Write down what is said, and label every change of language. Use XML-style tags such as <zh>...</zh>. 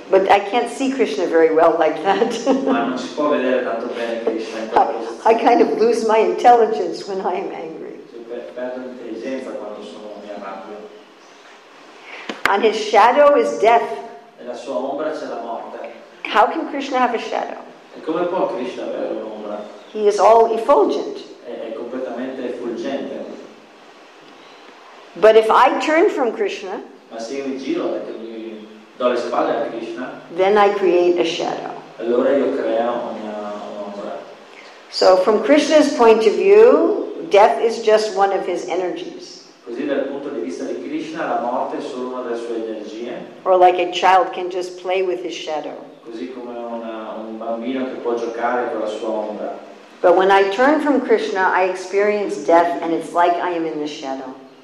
<en>But I can't see Krishna very well like that.</en> <it>Ma non si può vedere tanto bene Krishna in quel posto.</it> <en>I kind of lose my intelligence when I am angry.</en> <it>Perdo intelligenza quando sono mi arrabbio.</it> <en>On his shadow is death.</en> <it>Nella sua ombra c'è la morte.</it> <en>How can Krishna have a shadow?</en> <it>E come può Krishna avere un'ombra?</it> <en>He is all effulgent.</en> <it>È completamente effulgente.</it> <en>But if I turn from Krishna,</en> <it>ma se io mi giro e mi do le spalle a Krishna,</it> <en>then I create a shadow.</en> <it>Allora io creo una ombra.</it> <en>So from Krishna's point of view, death is just one of his energies.</en> <it>Così dal punto di vista di Krishna, la morte è solo una delle sue energie.</it> <en>Or like a child can just play with his shadow.</en> <it>Così come un bambino che può giocare con la sua ombra.</it> <en>But when I turn from Krishna, I experience death, and it's like I am in the shadow.</en>